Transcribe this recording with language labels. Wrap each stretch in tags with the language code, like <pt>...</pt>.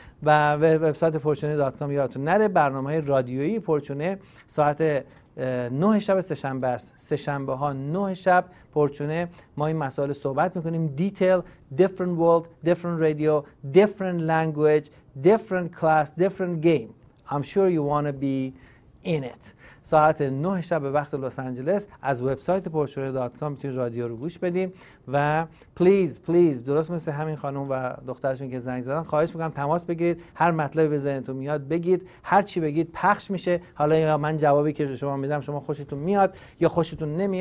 <fa>و وبسایت fortune.com یادتون نره. برنامه های رادیویی فورچونه ساعت 9 شب سه‌شنبه است. سه‌شنبه‌ها 9 شب فورچونه ما این مسائل صحبت می‌کنیم.</fa> <en>Detail, different world, different radio, different language, different class, different game. I'm sure you want to be in it.</en> <fa>ساعت 9 شب به وقت لس آنجلس از وبسایت fortune.com میتونید رادیو رو گوش بدیم. و پلیز پلیز درست مثل همین خانم و دخترشون که زنگ زدن، خواهش میکنم تماس بگیرید، هر مطلبی بزنیدتون میاد بگید، هر چی بگید پخش میشه. حالا یا من جوابی که شما میدم شما خوشتون میاد یا خوشتون نمیاد.</fa>